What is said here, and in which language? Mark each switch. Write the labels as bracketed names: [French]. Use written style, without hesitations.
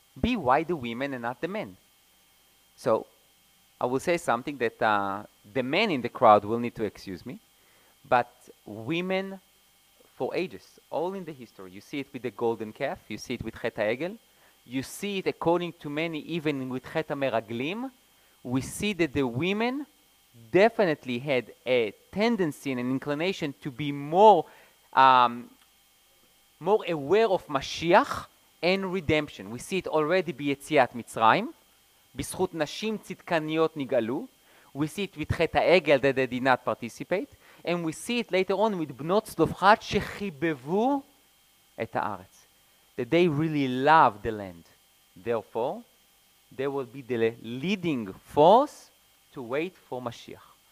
[English] B, why the women and not the men? So, I will say something that the men in the crowd will need to excuse me, but women for ages, all in the history, you see it with the golden calf, you see it with Chet HaEgel, you see it according to many, even with Chet HaMeraglim, we see that the women definitely had a tendency and an inclination to be more aware of Mashiach and redemption. We see it already [Hebrew] ביציאת מצרים, בזכות נשים צדקניות נגאלו. [English] We see it with Chet HaEgel that they did not participate. And we see it later on with Bnot Tzlofchad [Hebrew] שחיבבו את הארץ. [English] That they really loved the land. Therefore, they will be the leading force to wait for Mashiach.